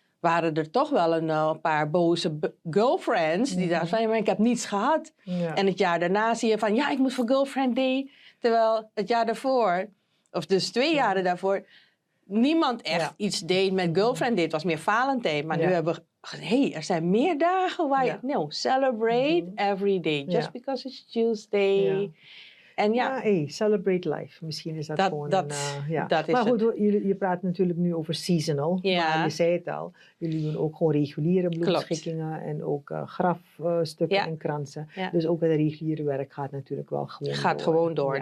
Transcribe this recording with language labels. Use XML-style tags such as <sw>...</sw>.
<nl>Waren er toch wel een paar boze girlfriends die dachten van, ik heb niets gehad. Ja. En het jaar daarna zie je van, ja, ik moet voor girlfriend day. Terwijl het jaar daarvoor, of dus 2 jaren daarvoor, niemand echt iets deed met girlfriend day. Het was meer Valentijn. Maar nu hebben we gezegd, hey, er zijn meer dagen waar je...</nl> <en>No, celebrate every day, just because it's Tuesday.</en> <nl>Ja. En</nl> <en>celebrate life.</en> <nl>Misschien is dat gewoon dat, een... Dat is maar goed, het. Je praat natuurlijk nu over seasonal. Ja. Maar je zei het al. Jullie doen ook gewoon reguliere bloemschikkingen. En ook grafstukken en kransen. Ja. Dus ook het reguliere werk gaat natuurlijk wel gewoon gaat door. Gaat gewoon door.</nl>